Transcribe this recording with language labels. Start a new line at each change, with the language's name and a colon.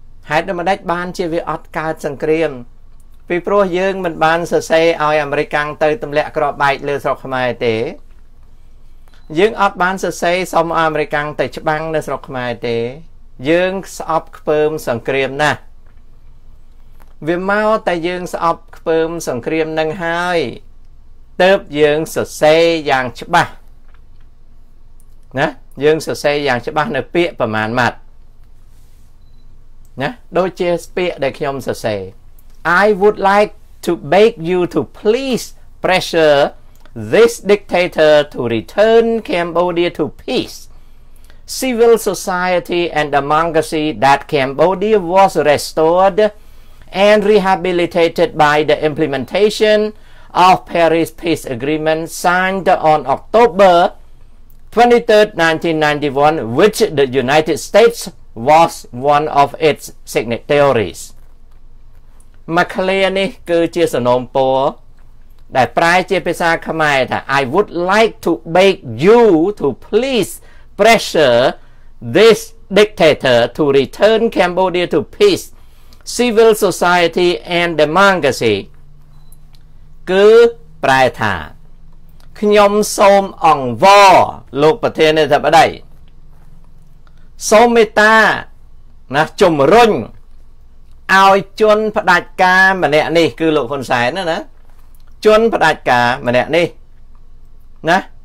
Khmer: ហេតុដែលមិនដាច់បានជាវាអត់កើតសង្គ្រាមពីព្រោះយើងមិនបានសរសេរឲ្យអាមេរិកកាំងទៅទម្លាក់គ្រាប់បែកលើស្រុកខ្មែរទេយើងអត់បានសរសេរសុំឲ្យអាមេរិកកាំងទៅច្បាំងនៅស្រុកខ្មែរទេយើងស្អប់ខ្ពើមសង្គ្រាមណាស់វាមកតែយើងស្អប់ខ្ពើមសង្គ្រាមនឹងហើយទើបយើងសរសេរយ៉ាងច្បាស់ណាយើងសរសេរយ៉ាងច្បាស់នៅពាក្យប្រមាណម៉ាត់ ណាដូចជាស្ពាកដែលខ្ញុំសរសេរ
English: I would like to beg you to please pressure this dictator to return Cambodia to peace, civil society and democracy that Cambodia was restored and rehabilitated by the implementation of Paris Peace Agreement signed on October 23, 1991, which the United States was one of its signatories.
Khmer: មកឃ្លានេះគឺជាសំណពរដែលប្រែជាភាសាខ្មែរថា
English: I would like to beg you to please pressure this dictator to return Cambodia to peace, civil society and democracy.
Khmer: គឺប្រែថាខ្ញុំសូមអង្វរលោកប្រធានាធិបតីសូមមេត្តាណាជំរុញឲ្យជនផ្ដាច់ការម្នាក់នេះគឺលោកហ៊ុនសែនណាជនផ្ដាច់ការម្នាក់នេះណា